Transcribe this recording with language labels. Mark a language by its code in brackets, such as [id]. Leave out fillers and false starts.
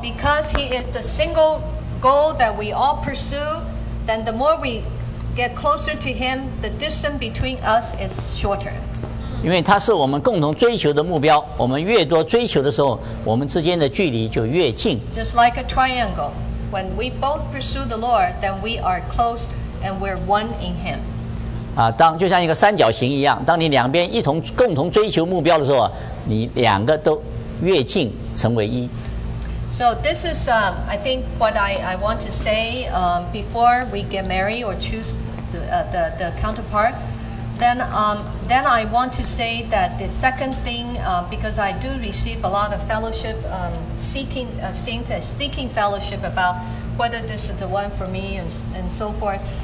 [en] Because he is the single goal that we all pursue, then the more we get closer to him, the distance between us is shorter. [zh] 因为他是我们共同追求的目标，我们越多追求的时候，我们之间的距离就越近。 [en] Just like a triangle, when we both pursue the Lord, then we are close. And we're one in Him. [zh] 当就像一个三角形一样，当你两边一同共同追求目标的时候，你两个都越近成为一。 [en] So this is, I think, what I want to say before we get married or choose the counterpart. Then I want to say that the second thing, because I do receive a lot of fellowship, seeking fellowship about whether this is the one for me and so forth.